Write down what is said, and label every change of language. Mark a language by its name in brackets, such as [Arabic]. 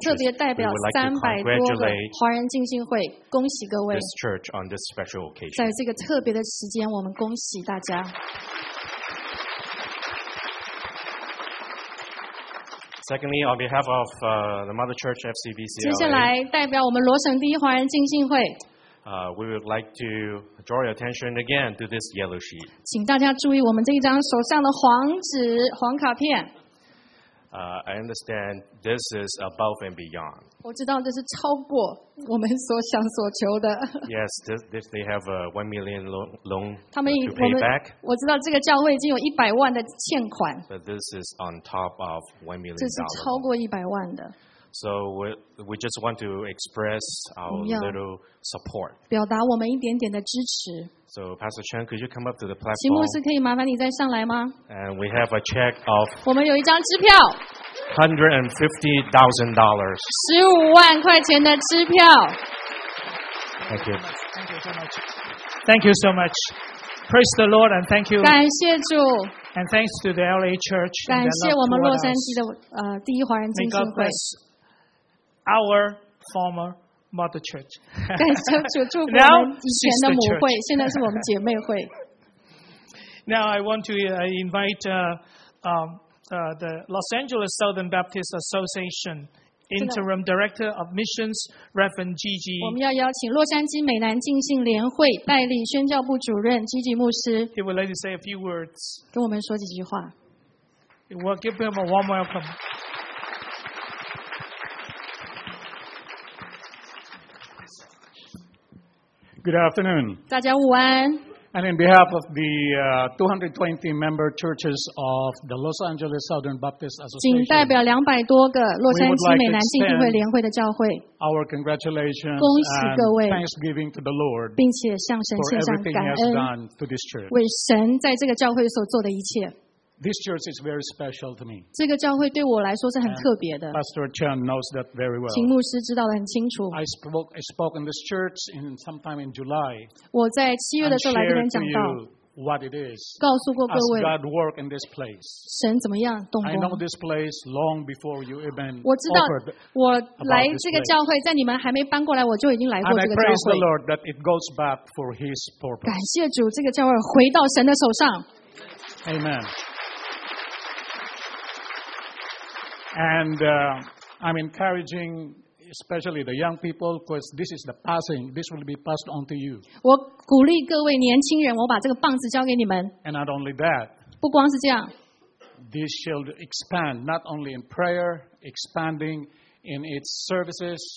[Chinese] 我特别代表300多个华人浸信会，恭喜各位。 [English] This church on this special occasion. [Chinese] 在这个特别的时间，我们恭喜大家。 [English] Secondly, on behalf of the Mother Church FCBC, [Chinese] 接下来代表我们罗省第一华人浸信会。 [English] We would like to draw your attention again to this yellow sheet. [Chinese] 请大家注意我们这一张手上的黄纸、黄卡片。 [English] I understand this is above and beyond. [Chinese] 我知道这是超过我们所想所求的。 [English] Yes, this they have a $1 million loan. [Chinese] 他们我们 back. 我知道这个教会已经有100万的欠款。 [English] But this is on top of $1 million. [Chinese] 这是超过100万的。 [English] So we just want to express our little support. [Chinese] 表达我们一点点的支持。 [English] So Pastor Chen, could you come up to the platform? [Chinese] 秦牧师，可以麻烦你再上来吗？ [English] And we have a check of. [Chinese] 我们有一张支票。 [English] $150,000. [Chinese] 150,000的支票。 [English] Thank you. Thank you so much. Thank you so much. Praise the Lord and thank you. [Chinese] 感谢主。 [English] And thanks to the LA Church. [Chinese] 感谢我们洛杉矶的第一华人基督会。 [English] Our former mother church. [Chinese] 感谢主，祝福我们以前的母会，现在是我们姐妹会。 [English] Now I want to invite the Los Angeles Southern Baptist Association interim director of missions, Reverend Gigi. [Chinese] 我们要邀请洛杉矶美南浸信联会代理宣教部主任 Gigi 牧师。 [English] He would like to say a few words. [Chinese] 跟我们说几句话。 [English] We'll give him a warm welcome. Good afternoon. [Chinese] 大家午安。 [English] And in behalf of the 220 member churches of the Los Angeles Southern Baptist Association, [Chinese] 仅代表两百多个洛杉矶美南浸信会联会的教会 [English] ，our congratulations, [Chinese] 恭喜各位 [English] and thanksgiving to the Lord, [Chinese] 并且向神献上感恩 [English] to this church, [Chinese] 为神在这个教会所做的一切。 [English] This church is very special to me. [Chinese] 这个教会对我来说是很特别的。 [English] Pastor Chen knows that very well. [Chinese] 秦牧师知道得很清楚。 [English] I spoke in this church in sometime in July. [Chinese] 我在七月的时候来跟人讲道。 [English] What it is, [Chinese] 告诉过各位 [English] as God work in this place. [Chinese] 神怎么样动工 [English] I know this place long before you even offered about this [Chinese] place. 我知道我来这个教会在你们还没搬过来我就已经来过这个教会 [English] And I praise the Lord that it goes back for his purpose. [Chinese] 感谢主这个教会回到神的手上。 [English] Amen. And I'm encouraging, especially the young people, because this is the passing. This will be passed on to you. [Chinese] 我鼓励各位年轻人，我把这个棒子交给你们。 [English] And not only that. [Chinese] 不光是这样。 [English] This shall expand not only in prayer, expanding in its services.